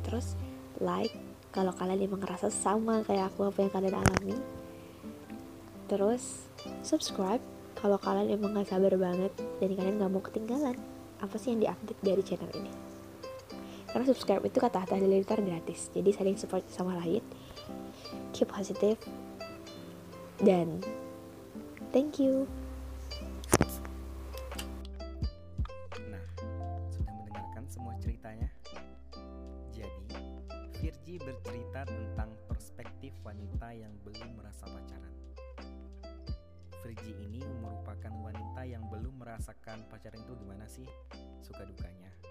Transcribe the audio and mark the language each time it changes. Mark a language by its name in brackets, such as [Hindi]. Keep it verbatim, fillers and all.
[Indonesian] Terus like kalau kalian emang ngerasa sama kayak aku apa yang kalian alami. Terus subscribe kalau kalian emang gak sabar banget dan kalian gak mau ketinggalan apa sih yang diupdate dari channel ini. Karena subscribe itu kata-kata halilintar gratis, jadi saling support sama lain. [English] Keep positive dan thank you. [Indonesian] Nah, sudah mendengarkan semua ceritanya? Jadi Virgi bercerita tentang perspektif wanita yang belum merasa pacaran. Virgi ini merupakan wanita yang belum merasakan pacaran itu gimana sih suka dukanya.